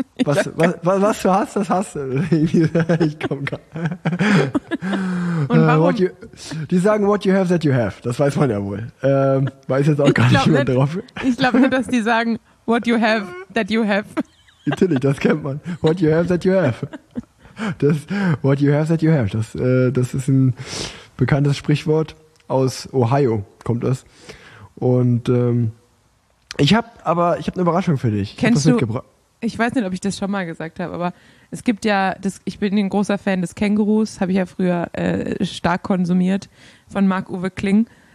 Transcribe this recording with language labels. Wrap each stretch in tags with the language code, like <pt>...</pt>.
<de>Was du hast, das hast du. Ich komm gar nicht. Und die sagen,</de> <en>what you have, that you have.</en> <de>Das weiß man ja wohl. Weiß jetzt auch gar nicht mehr drauf. Ich glaube nur, dass die sagen,</de> <en>what you have, that you have.</en> <de>Natürlich, das kennt man.</de> <en>What you have, that you have.</en> <de>Das,</de> <en>what you have, that you have.</en> <de>Das, das ist ein bekanntes Sprichwort aus Ohio, kommt das. Und ich habe eine Überraschung für dich. Ich weiß nicht, ob ich das schon mal gesagt habe, aber es gibt ja, ich bin ein großer Fan des Kängurus, habe ich ja früher stark konsumiert, von Marc-Uwe Kling.</de>